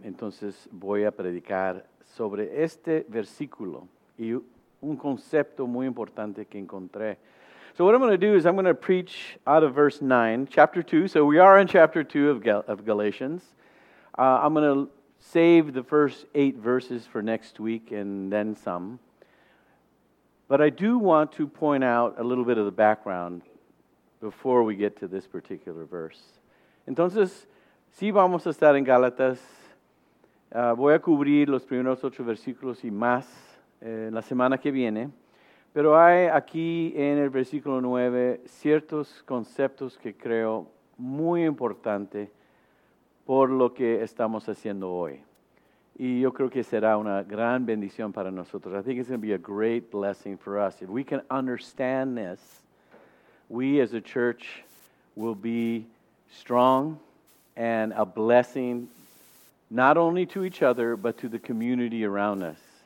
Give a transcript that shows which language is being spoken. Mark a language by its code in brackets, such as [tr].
[es] Entonces voy a predicar sobre este versículo y un concepto muy importante que encontré. [en] So what I'm going to do is I'm going to preach out of verse 9, chapter 2. So we are in chapter 2 of Galatians. I'm going to save the first 8 verses for next week and then some. But I do want to point out a little bit of the background before we get to this particular verse. [es] Entonces, si vamos a estar en Gálatas, voy a cubrir los primeros 8 versículos y más la semana que viene. Pero hay aquí en el versículo 9 ciertos conceptos que creo muy importante por lo que estamos haciendo hoy. Y yo creo que será una gran bendición para nosotros. [en] I think it's going to be a great blessing for us. If we can understand this, we as a church will be strong and a blessing not only to each other, but to the community around us.